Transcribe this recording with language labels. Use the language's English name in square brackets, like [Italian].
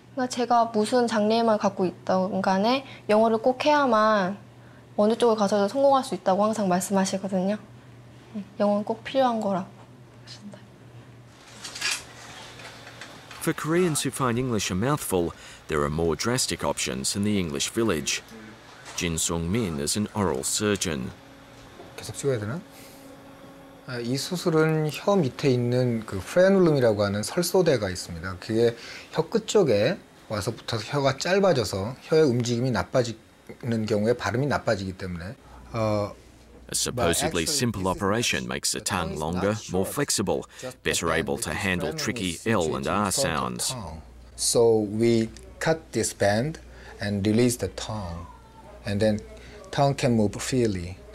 [Korean] 제가 무슨 장래만 갖고 있던 간에 영어를 꼭 해야만 어느 쪽을 가서도 성공할 수 있다고 항상 말씀하시거든요. 영어는 꼭 필요한 거라고 하신다. [English] For Koreans who find English a mouthful, there are more drastic options in the English Village. Jin Song Min is an oral surgeon. [Korean] 계속 찍어야 되나? 이 수술은 혀 밑에 있는 그 프레눌룸이라고 하는 설소대가 있습니다. 그게 혀 끝 쪽에 와서 붙어서 혀가 짧아져서 혀의 움직임이 나빠지는 경우에 발음이 나빠지기 때문에 [English] A supposedly simple operation makes the tongue longer, more flexible, better able to handle tricky L and R sounds. So we cut this band and release the tongue, and then tongue can move freely.